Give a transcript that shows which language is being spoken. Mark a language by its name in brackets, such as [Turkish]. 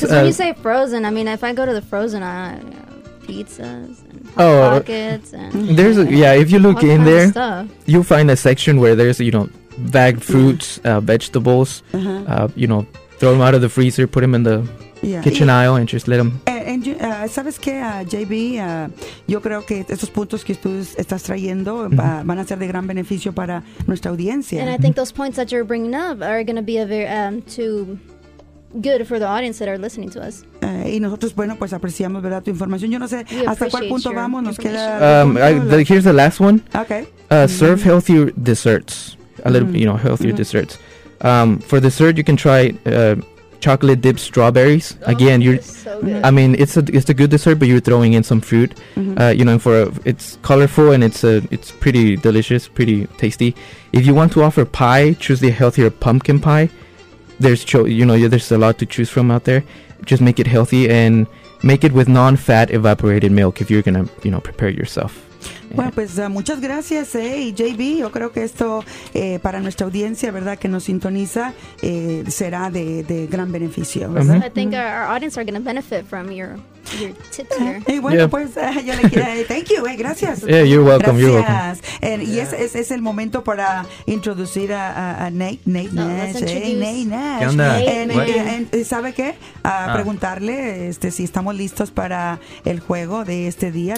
[English] Because when you say frozen, I mean, if I go to the frozen, I pizzas and hot pockets and... There's if you look in there, you'll find a section where there's, you know, bagged fruits, vegetables, you know, throw them out of the freezer, put them in the kitchen aisle and just let them... [Spanish] ¿Sabes qué, JB? Yo creo que esos puntos que tú estás trayendo van a ser de gran beneficio para nuestra audiencia. [English] And I think those points that you're bringing up are going to be a very, too good for the audience that are listening to us. [Spanish] Y nosotros, bueno, pues apreciamos, ¿verdad?, tu información. Yo no sé [English] we [Spanish] hasta cuál punto vamos. Nos queda [English] Here's the last one. Okay. Serve healthier desserts. A little, you know, healthier desserts. For dessert, you can try... chocolate dipped strawberries. Again, you're so I mean, it's a good dessert, but you're throwing in some fruit. You know, for it's colorful and it's pretty delicious, pretty tasty. If you want to offer pie, choose the healthier pumpkin pie. There's a lot to choose from out there. Just make it healthy and make it with non-fat evaporated milk if you're gonna, you know, prepare yourself. [Spanish] Bueno, pues muchas gracias, JB. Yo creo que esto para nuestra audiencia, ¿verdad?, que nos sintoniza, será de gran beneficio. [English] I think our audience are going to benefit from your tips here. [Spanish] Y bueno, pues yo le quiero [English] thank you, [Spanish] gracias. [English] Yeah, you're welcome, [Spanish] gracias. [English] You're welcome. [Spanish] Y es el momento para introducir a Nate no, Nash. Nate Nash. ¿Qué onda? ¿Sabe qué? Preguntarle si estamos listos para el juego de este día.